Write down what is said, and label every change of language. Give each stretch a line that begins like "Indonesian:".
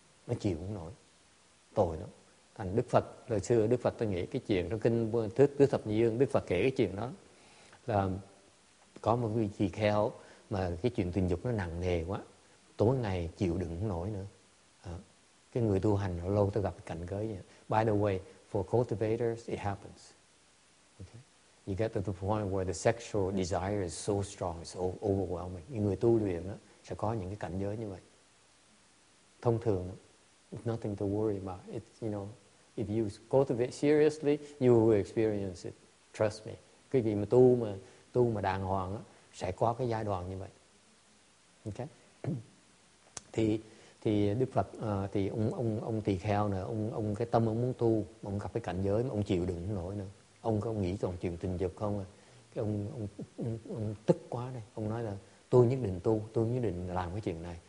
Vietnamese: Nó chịu không nổi, tội lắm. Thành Đức Phật, lời xưa Đức Phật tôi nghĩ cái chuyện trong kinh Tứ Thập Nhị Dương, Đức Phật kể cái chuyện đó là có một vị tỳ kheo mà cái chuyện tình dục nó nặng nề quá. Tối ngày chịu đựng không nổi nữa. Cái người tu hành ở lâu tôi gặp cảnh giới vậy.
English: By the way, for cultivators, it happens. Okay? You get to the point where the sexual desire is so strong, it's overwhelming.
Vietnamese: Những người tu luyện đó, sẽ có những cái cảnh giới như vậy. Thông thường,
English: nothing to worry about. It's, you know, if you cultivate seriously, you will experience it. Trust me.
Vietnamese: Cái gì mà tu mà đàng hoàng đó, sẽ có cái giai đoạn như vậy. Okay? Thì Đức Phật thì ông tỳ kheo nè, ông cái tâm ông muốn tu, ông gặp cái cảnh giới mà ông chịu đựng không nổi nữa. Ông có nghĩ còn chuyện tình dục không? Cái ông tức quá đây, ông nói là tôi nhất định làm cái chuyện này.